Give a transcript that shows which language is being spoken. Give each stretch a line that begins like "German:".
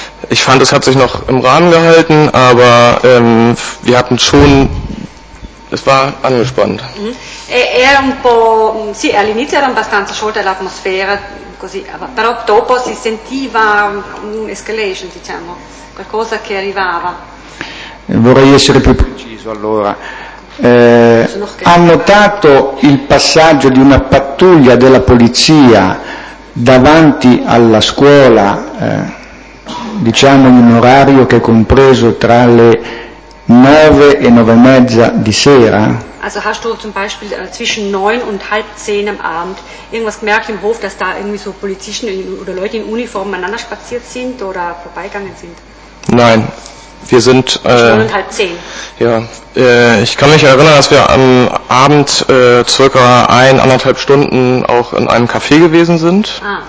German: Ich fand, es hat sich noch im Rahmen gehalten, aber wir hatten schon, es war angespannt. Mm-hmm.
Italian: Era un po', sì, all'inizio era abbastanza sciolta l'atmosfera, così, però dopo si sentiva un'escalation, diciamo, qualcosa che arrivava. Vorrei essere più preciso allora. Ha notato il passaggio di una pattuglia della polizia davanti alla scuola, diciamo in un orario che è compreso tra le 9 e 9 e mezza di sera?
German: Also hast du zum Beispiel zwischen 9 und halb 10 am Abend irgendwas gemerkt im Hof, dass da irgendwie so Polizisten oder Leute in Uniform aneinander spaziert sind oder vorbeigegangen sind? Nein, wir sind... Zwischen 9 und halb 10. Ja, ich kann mich erinnern, dass wir am Abend circa 1,5 Stunden auch in einem Café gewesen sind. Ah.